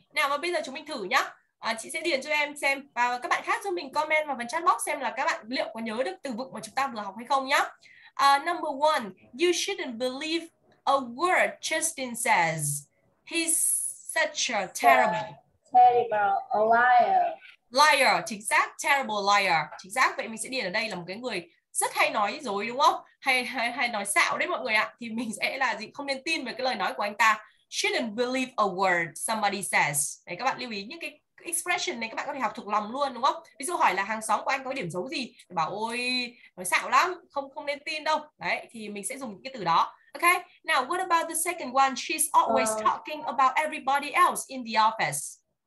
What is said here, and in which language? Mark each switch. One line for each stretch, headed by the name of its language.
Vietnamese: Nào mà bây giờ chúng mình thử nhá. Chị sẽ điền cho em xem và các bạn khác cho mình comment vào phần chat box xem là các bạn liệu có nhớ được từ vựng mà chúng ta vừa học hay không nhá.
English: Number one, you shouldn't believe a word Justin says. He's such a terrible liar,
Vietnamese: chính xác, terrible liar, chính xác. Vậy mình sẽ điền ở đây là một cái người rất hay nói dối đúng không? Hay nói xạo đấy mọi người ạ. Thì mình sẽ là gì? Không nên tin về cái lời nói của anh ta.
English: Shouldn't believe a word somebody says.
Vietnamese: Đấy, các bạn lưu ý những cái expression này các bạn có thể học thuộc lòng luôn đúng không? Ví dụ hỏi là hàng xóm của anh có điểm xấu gì? Thì bảo ôi, nói xạo lắm, không nên tin đâu. Đấy, thì mình sẽ dùng những cái từ đó.
English: Okay, now what about the second one? She's always talking about everybody else in the office.